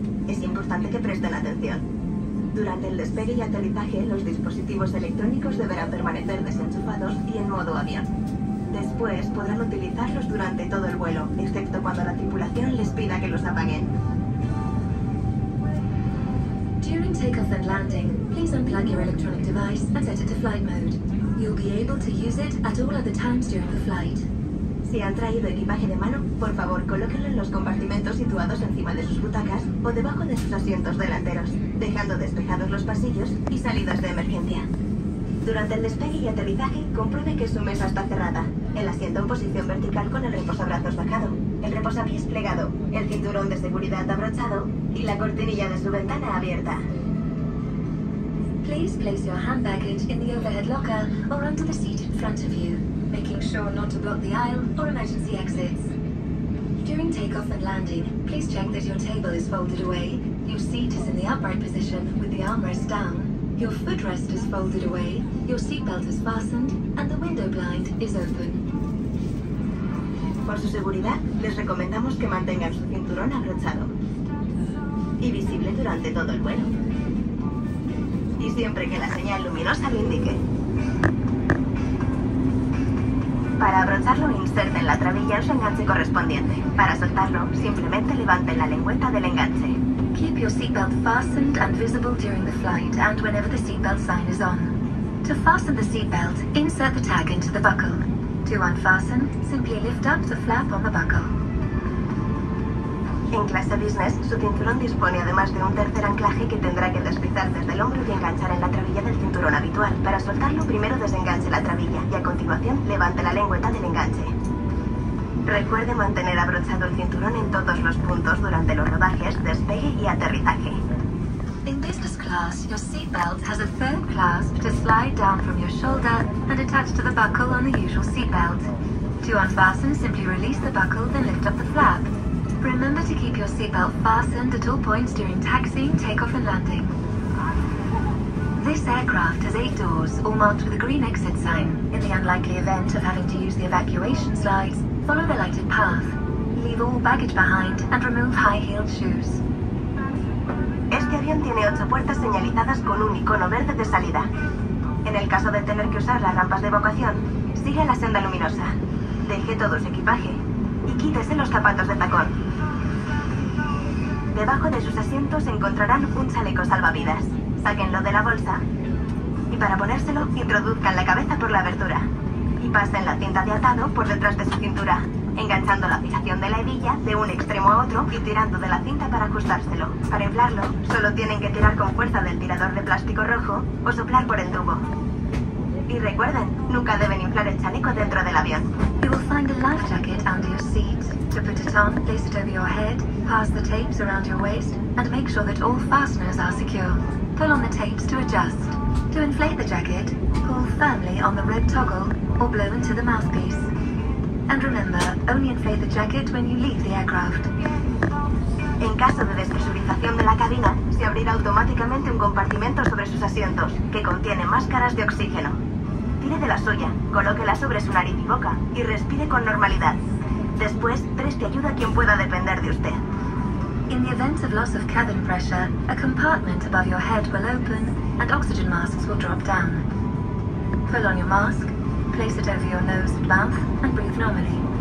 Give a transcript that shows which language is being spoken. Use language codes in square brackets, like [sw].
[es] Es importante que presten atención. Durante el despegue y aterrizaje, los dispositivos electrónicos deberán permanecer desenchufados y en modo avión. Después podrán utilizarlos durante todo el vuelo, excepto cuando la tripulación les pida que los apaguen. [en] During takeoff and landing, please unplug your electronic device and set it to flight mode. You'll be able to use it at all other times during the flight. [es] Si han traído equipaje de mano, por favor colóquenlo en los compartimentos situados encima de sus butacas o debajo de sus asientos delanteros, dejando despejados los pasillos y salidas de emergencia. Durante el despegue y aterrizaje, compruebe que su mesa está cerrada, el asiento en posición vertical con el reposabrazos bajado, el reposapiés plegado, el cinturón de seguridad abrochado y la cortinilla de su ventana abierta. [en] Please place your hand baggage in the overhead locker or under the seat in front of you, making sure not to block the aisle or emergency exits. During takeoff and landing, please check that your table is folded away, your seat is in the upright position with the armrest down, your footrest is folded away, your seatbelt is fastened, and the window blind is open. [es] Por su seguridad, les recomendamos que mantengan su cinturón abrochado y visible durante todo el vuelo. Y siempre que la señal luminosa lo indique. Para abrocharlo, inserte en la trabilla su enganche correspondiente. Para soltarlo, simplemente levante la lengüeta del enganche. [en] Keep your seatbelt fastened and visible during the flight and whenever the seatbelt sign is on. To fasten the seatbelt, insert the tag into the buckle. To unfasten, simply lift up the flap on the buckle. [es] En clase business, su cinturón dispone además de un tercer anclaje que tendrá que deslizar desde el hombro y enganchar en la trabilla del cinturón habitual. Para soltarlo, primero desenganche la trabilla y a continuación levante la lengüeta del enganche. Recuerde mantener abrochado el cinturón en todos los puntos durante los rodajes, despegue y aterrizaje. [en] In business class, your seatbelt has a third clasp to slide down from your shoulder and attach to the buckle on the usual seatbelt. To unfasten, simply release the buckle, then lift up the flap. Remember to keep your seatbelt fastened at all points during taxi, takeoff and landing. This aircraft has 8 doors, all marked with a green exit sign. In the unlikely event of having to use the evacuation slides, follow the lighted path. Leave all baggage behind and remove high-heeled shoes. [es] Este avión tiene 8 puertas señalizadas con un icono verde de salida. En el caso de tener que usar las rampas de evacuación, sigue la senda luminosa. Deje todo su equipaje y quítese los zapatos de tacón. Debajo de sus asientos encontrarán un chaleco salvavidas. Sáquenlo de la bolsa y para ponérselo, introduzcan la cabeza por la abertura y pasen la cinta de atado por detrás de su cintura, enganchando la fijación de la hebilla de un extremo a otro y tirando de la cinta para ajustárselo. Para inflarlo, solo tienen que tirar con fuerza del tirador de plástico rojo o soplar por el tubo. Y recuerden, nunca deben inflar el chaleco dentro del avión. [en] You will find a life jacket under your seat. To put it on, place it over your head, pass the tapes around your waist, and make sure that all fasteners are secure. Pull on the tapes to adjust. To inflate the jacket, pull firmly on the red toggle or blow into the mouthpiece. And remember, only inflate the jacket when you leave the aircraft. [es] En caso de despresurización de la cabina, se abrirá automáticamente un compartimento sobre sus asientos, que contiene máscaras de oxígeno. Tire de la suya, colóquela sobre su nariz y boca, y respire con normalidad. Después, preste ayuda a quien pueda depender de usted. [en] In the event of loss of cabin pressure, a compartment above your head will open and oxygen masks will drop down. Pull on your mask, place it over your nose and mouth, and breathe normally.